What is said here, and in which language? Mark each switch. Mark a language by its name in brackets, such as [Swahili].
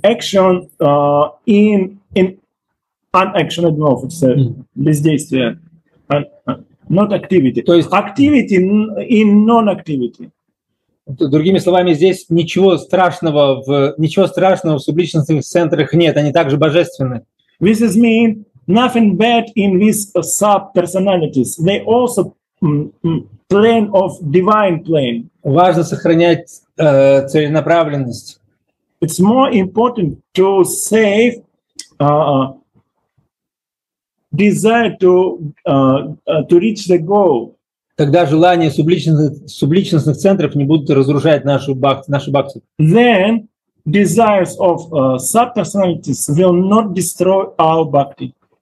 [English] Action in unaction, no, it's бездействие, not activity. [Russian] То есть [English] activity in non-activity. [Russian] Другими словами, здесь ничего страшного в субличностных центрах нет, они также божественны. [English] This is mean nothing bad in these subpersonalities. They also plane of divine plane. [Russian] Важно сохранять целенаправленность. [English] It's more important to save desire to reach the goal. [Russian] Тогда желания субличностных центров не будут разрушать нашу бхакти. [English] Then desires of subpersonalities will not destroy our bhakti.